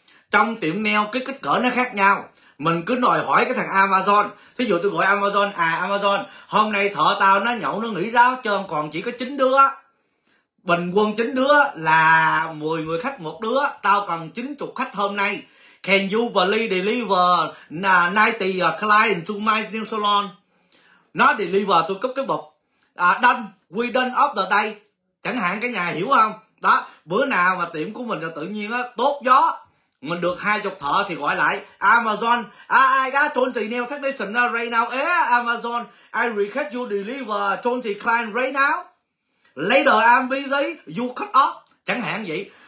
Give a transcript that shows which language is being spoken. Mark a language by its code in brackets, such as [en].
[vi] Trong tiệm nail cái kích cỡ nó khác nhau. Mình cứ đòi hỏi cái thằng Amazon. Thí dụ tôi gọi Amazon, à Amazon, hôm nay thợ tao nó nhậu nó nghỉ ráo trơn, còn chỉ có 9 đứa. Bình quân 9 đứa là 10 người khách một đứa, tao cần 90 khách hôm nay. [en] Can you please deliver 90 client to my new salon? [vi] Nó deliver tôi cấp cái bục. [en] Done, we done off the day. [vi] Chẳng hạn cái nhà hiểu không? Đó, bữa nào mà tiệm của mình là tự nhiên á tốt gió, mình được 20 thợ thì gọi lại Amazon, [en] I got 20 nail technician right now, Amazon, I request you deliver 20 client right now, later I'm busy, you cut off, [vi] chẳng hạn vậy.